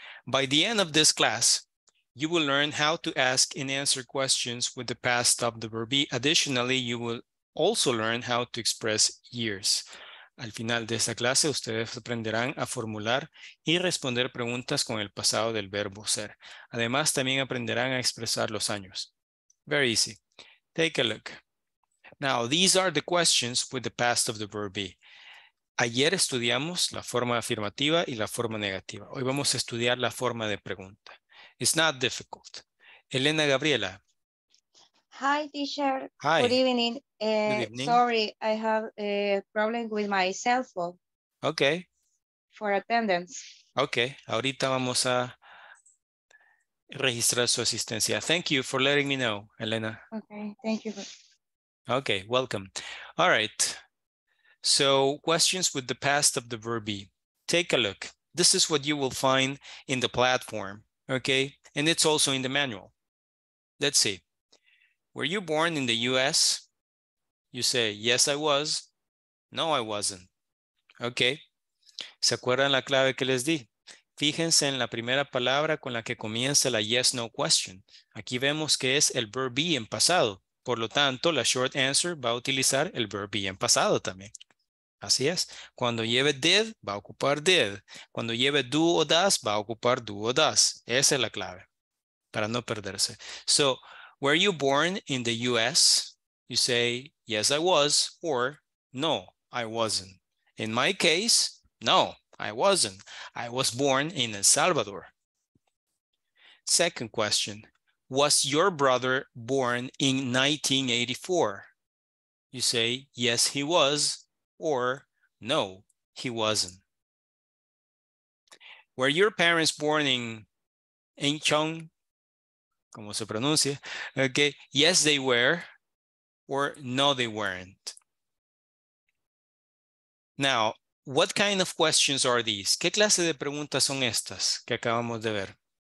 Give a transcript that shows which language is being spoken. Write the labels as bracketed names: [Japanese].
[English] By the end of this class, you will learn how to ask and answer questions with the past of the verb be. Additionally, you will also learn how to express years. [Spanish] Al final de esta clase, ustedes aprenderán a formular y responder preguntas con el pasado del verbo ser. Además, también aprenderán a expresar los años. [English] Very easy. Take a look. Now, these are the questions with the past of the verb be. [Spanish] Ayer estudiamos la forma afirmativa y la forma negativa. Hoy vamos a estudiar la forma de pregunta. [English] It's not difficult. Elena Gabriela. Hi, teacher. Hi. Good evening. Sorry, I have a problem with my cell phone. Okay. For attendance. [Spanish] Okay. Ahorita vamos a registrar su asistencia. [English] Thank you for letting me know, Elena. Okay. Thank you. Okay. Welcome. All right. So, questions with the past of the verb be. Take a look. This is what you will find in the platform. Okay, and it's also in the manual. Let's see. Were you born in the US? You say, yes, I was. No, I wasn't. [Spanish] Okay. ¿Se acuerdan la clave que les di? Fíjense en la primera palabra con la que comienza la [English] yes, no question. [Spanish] Aquí vemos que es el verb be en pasado. Por lo tanto, la short answer va a utilizar el verb be en pasado también. Así es. Cuando lleve did, va a ocupar did. Cuando lleve do o does, va a ocupar do o does. Esa es la clave para no perderse. [English] So, were you born in the US? You say, yes, I was, or no, I wasn't. In my case, no, I wasn't. I was born in El Salvador. Second question. Was your brother born in 1984? You say, yes, he was, or no, he wasn't. Were your parents born in Incheon? [Spanish] ¿Cómo se pronuncia? [English] Okay, yes, they were, or no, they weren't. Now, what kind of questions are these? [Spanish] ¿Qué clase de preguntas son estas que acabamos de ver?